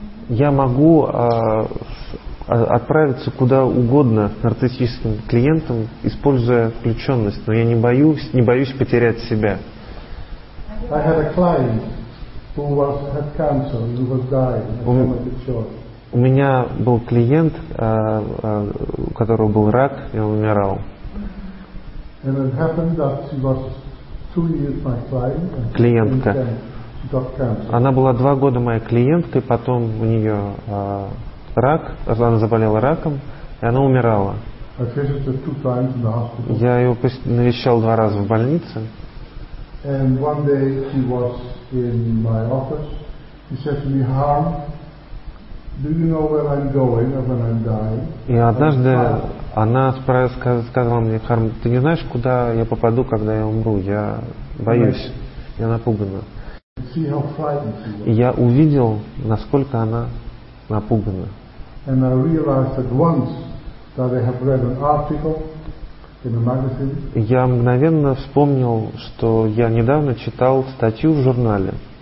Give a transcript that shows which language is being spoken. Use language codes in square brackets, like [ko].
[ru] Я могу отправиться куда угодно с нарциссическим клиентом, используя включенность, но я не боюсь потерять себя. [en] I had a client who had cancer, who was dying, and came at the church. [ru] У меня был клиент, у которого был рак, и он умирал. [en] And it happened that she was 2 years my client. [ru] Клиентка. [en] Got cancer. [ru] Она была 2 года моей клиенткой, потом у нее рак, она заболела раком, и она умирала. [en] I visited 2 times in the hospital. [ru] Я ее навещал 2 раза в больнице. [en] And one day he was in my office. He said to me, "Harm, do you know where I'm going or when I'm dying?" [ru] И однажды она сказала мне: "Харм, ты не знаешь, куда я попаду, когда я умру? Я боюсь, я напугана." И я увидел, насколько она напугана. [en] And I realized at once that I have read an article in a magazine. [ru] Я мгновенно вспомнил, что я недавно читал статью в журнале.